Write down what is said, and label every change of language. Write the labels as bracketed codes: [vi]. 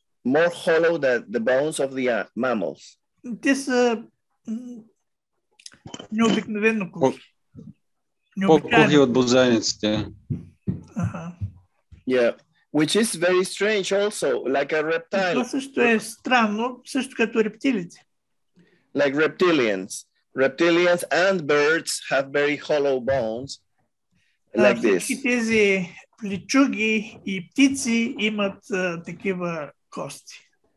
[en] More hollow than the bones of the mammals. [bg] Те са необикновено кухи. По-кухи от бозайниците. [en] Yeah. Which is very strange also, like a reptile. [bg] Това също е странно, също като рептилите. [en] Like reptilians. Reptilians and birds have very hollow bones. Like this. [bg] Всички тези плечуги и птици имат такива кости.